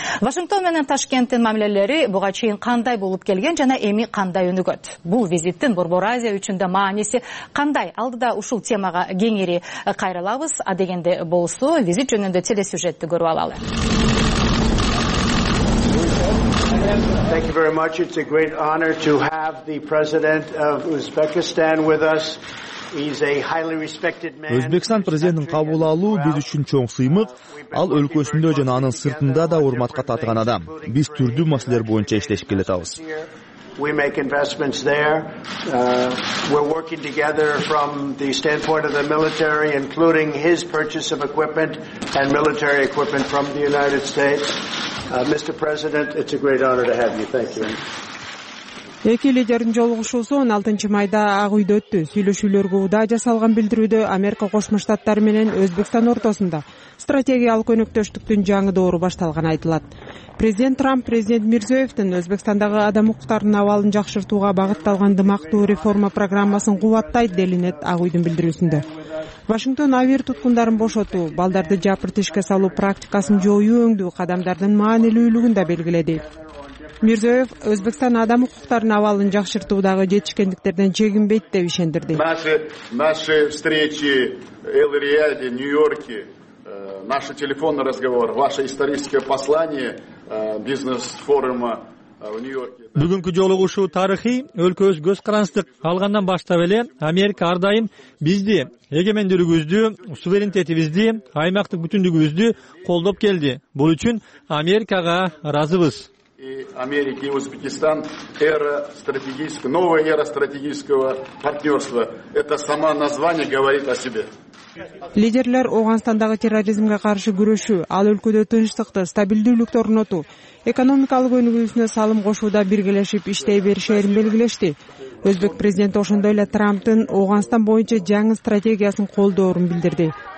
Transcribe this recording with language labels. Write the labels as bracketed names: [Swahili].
[Kyrgyz] Вашингтон менен Ташкенттин мамилелери буга чейин кандай болуп келген жана эми кандай өнүгөт? Бул визиттин Борбор Азия үчүн да мааниси кандай? Алдыда ушул темага кеңири кайрылабыз, а дегенде болсо визит жөнүндө телесюжетти көрүп алалы. [English] Thank you very much. It's a great honor to have the president of Uzbekistan with us. He's a highly respected man. [Kyrgyz] Өзбекстан президентин кабыл алуу биз үчүн чоң сыймык. Ал өлкөсүндө жана анын сыртында да урматка татыган адам. Биз түрдүү маселелер боюнча иштешип келебиз. [English] We make investments there. We're working together from the standpoint of the military, including his purchase of equipment and military equipment from the United States. Mr. President, it's a great honor to have you. Thank you. [Kyrgyz] Эки лидердин жолугушуусу 16 майда Ак Үйдө өттү. Сүйлөшүүлөргө удаа жасалган билдирүүдө Америка Кошмо Штаттары менен Өзбекстан ортосунда стратегиялык өнөктөштүктүн жаңы доору башталганы айтылат. Президент Трамп президент Мирзиёевдин Өзбекстандагы адам укуктарынын абалын жакшыртууга багытталган дымактуу реформа программасын кубаттайт делинет Ак Үйдүн билдирүүсүндө. Вашингтон авир туткундарын бошотуу, балдарды жапырт ишке салуу практикасын жоюу өңдүү кадамдардын маанилүүлүгүн да белгиледи. Мирзиёев Өзбекстан адам укуктарынын абалын жакшыртуудагы жетишкендиктерден чегинбейт деп ишендирди. [Russian] Наши встречи Эл-Рияде, Нью-Йорке, наш телефонный разговор, ваше историческое послание бизнес-форума в Нью-Йорке. [Kyrgyz] Бүгүнкү жолугушуу тарыхый, өлкөбүз көз карандык алгандан баштап эле Америка ар дайым бизди, эгемендүүлүгүбүздү, суверенитетибизди, аймактык бүтүндүгүбүздү колдоп келди. Бул үчүн Америкага ыраазыбыз. [Russian] Америки и Узбекистан новая эра стратегического партнерства. Это само название говорит о себе. [Kyrgyz] Лидерлер Ооганстандагы терроризмге каршы күрөшүү, ал өлкөдө тынчтыкты, стабилдүүлүктү орнотуу, экономикалык өнүгүүсүнө салым кошууда биргелешип иштей беришерин белгилешти. Өзбек президенти ошондой эле Трамптын Ооганстан боюнча жаңы стратегиясын колдоорун билдирди.